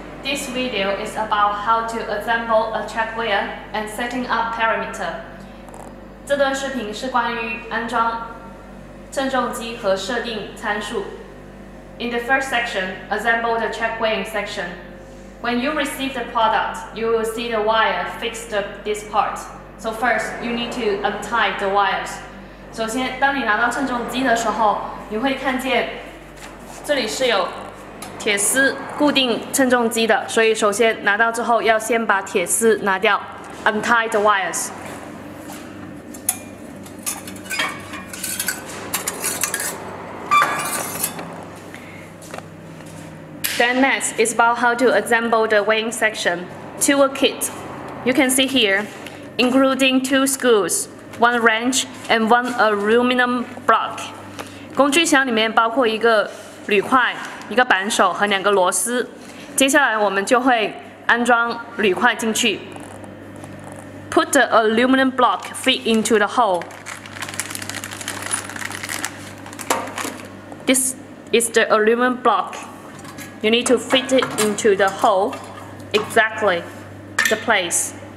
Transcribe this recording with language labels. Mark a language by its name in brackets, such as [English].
[English] This video is about how to assemble a checkweigher and setting up parameter. [Chinese] 这段视频是关于安装称重机和设定参数。 [English] In the first section, assemble the checkweighing section. When you receive the product, you will see the wire fixed to this part. So first, you need to untie the wires. [Chinese] 首先，当你拿到称重机的时候，你会看见这里是有铁丝固定称重机的，所以首先拿到之后要先把铁丝拿掉 ， [English] untie the wires。 Then next is about how to assemble the weighing section. Tool kit, you can see here, including two screws, one wrench, and one aluminum block. [Chinese] 工具箱里面包括一个铝块。一个扳手和两个螺丝，接下来我们就会安装铝块进去。 [English] Put the aluminum block fit into the hole. This is the aluminum block. You need to fit it into the hole exactly the place.